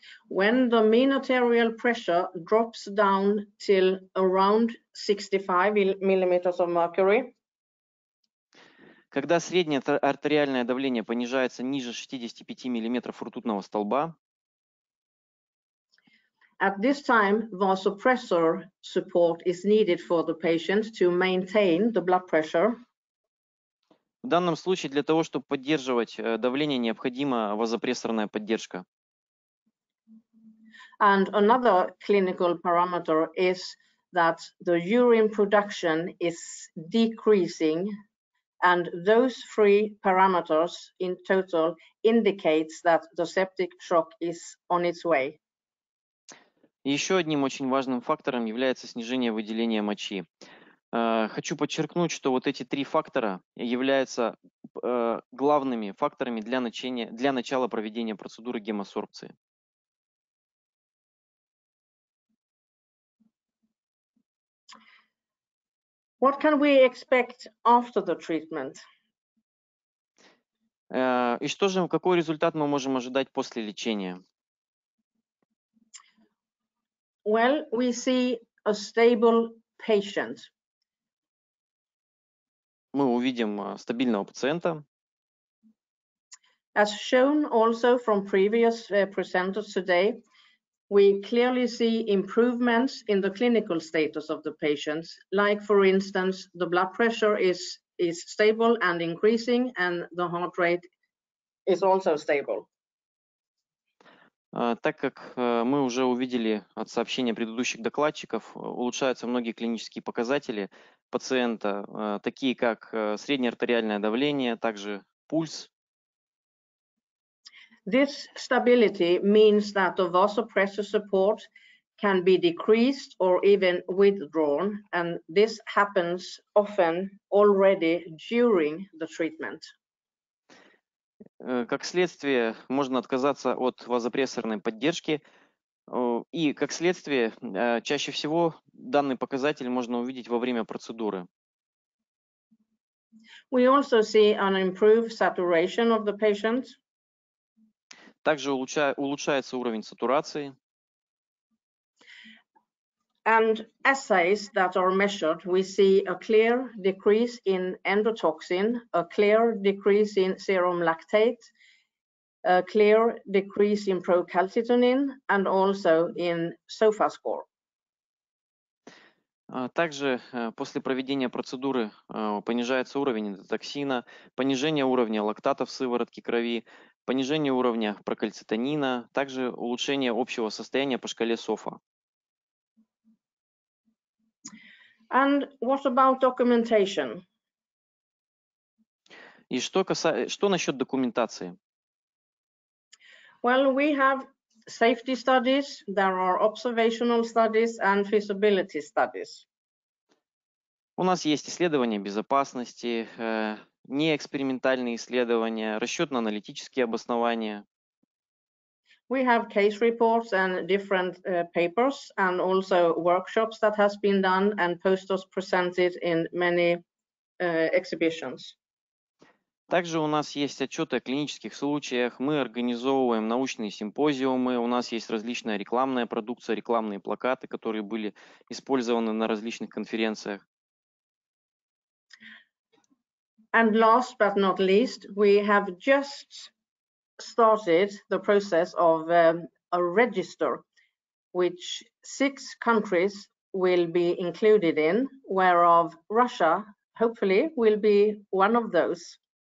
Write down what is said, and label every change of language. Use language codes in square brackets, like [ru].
[en] When the mean arterial pressure drops down till around 65 millimeters of mercury. [ru] Когда среднее артериальное давление понижается ниже 65 миллиметров ртутного столба. [en] At this time, vasopressor support is needed for the patient to maintain the blood pressure. [ru] В данном случае для того, чтобы поддерживать давление, необходима вазопрессорная поддержка. [en] And another clinical parameter is that the urine production is decreasing, and those three parameters in total indicates that the septic shock is on its way. [ru] Еще одним очень важным фактором является снижение выделения мочи. Хочу подчеркнуть, что вот эти три фактора являются главными факторами для начала проведения процедуры гемосорбции. [en] What can we expect after the treatment? [ru] И что же, какой результат мы можем ожидать после лечения? [en] Well, we see a stable patient. [ru] Мы увидим стабильного пациента. [en] As shown also from previous presenters today, we clearly see improvements in the clinical status of the patients. Like, for instance, the blood pressure is stable and increasing, and the heart rate is also stable. [ru] Так как мы уже увидели от сообщения предыдущих докладчиков, улучшаются многие клинические показатели пациента, такие как среднее артериальное давление, также пульс. [en] This stability means that the vasopressor support can be decreased or even withdrawn, and this happens often already during the treatment. [ru] Как следствие, можно отказаться от вазопрессорной поддержки, и как следствие, чаще всего данный показатель можно увидеть во время процедуры. [en] We also see an improved saturation of the patient. [ru] Также улучшается уровень сатурации. [en] And assays that are measured, we see a clear decrease in endotoxin, a clear decrease in serum lactate, a clear decrease in procalcitonin, and also in SOFA score. [ru] Также после проведения процедуры понижается уровень эндотоксина, понижение уровня лактата в сыворотке крови, понижение уровня прокальцитонина, также улучшение общего состояния по шкале SOFA. [en] And what about documentation? [ru] И что насчет документации? [en] Well, we have safety studies, there are observational studies and feasibility studies. [ru] У нас есть исследования безопасности, неэкспериментальные исследования, расчетно-аналитические обоснования. [en] We have case reports and different papers and also workshops that has been done and posters presented in many exhibitions. [ru] Также у нас есть отчеты о клинических случаях, мы организовываем научные симпозиумы, у нас есть различная рекламная продукция, рекламные плакаты, которые были использованы на различных конференциях. [en] And last but not least, we have just started the process of a register, which six countries will be included in, whereof Russia, hopefully, will be one of those.